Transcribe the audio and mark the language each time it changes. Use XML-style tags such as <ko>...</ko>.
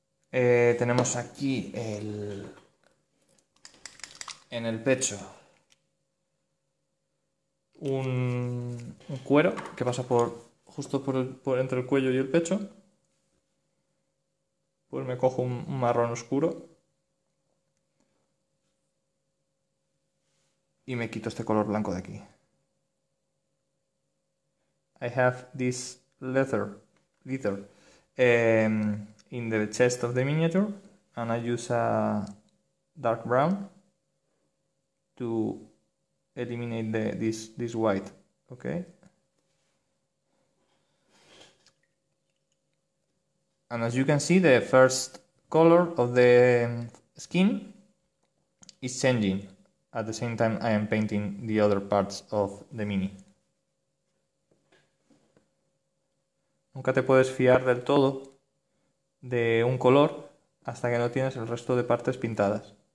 <es>Tenemos aquí el en el pecho un cuero que pasa por justo por entre el cuello y el pecho. Pues me cojo un marrón oscuro. Y me quito este color blanco de aquí.</es> <en>I have this leather in the chest of the miniature and I use a dark brown to eliminate this white, okay? And as you can see, the first color of the skin is changing. At the same time, I am painting the other parts of the mini.</en> <es>Nunca te puedes fiar del todo de un color hasta que no tienes el resto de partes pintadas.</es>